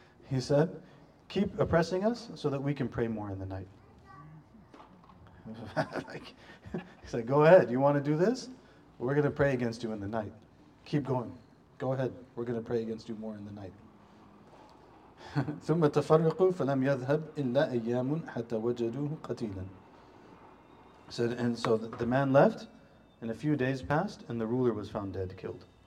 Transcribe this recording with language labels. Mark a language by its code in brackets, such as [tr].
[en] He said, "Keep oppressing us so that we can pray more in the night." Like, he said, "Go ahead, you want to do this? We're going to pray against you in the night. Keep going. Go ahead, we're going to pray against you more in the night." [ar] ثم تفرقوا فلم يذهب إلا أيام حتى وجدوه قتيلا. [en] Said, and so the man left, and a few days passed, and the ruler was found dead, killed.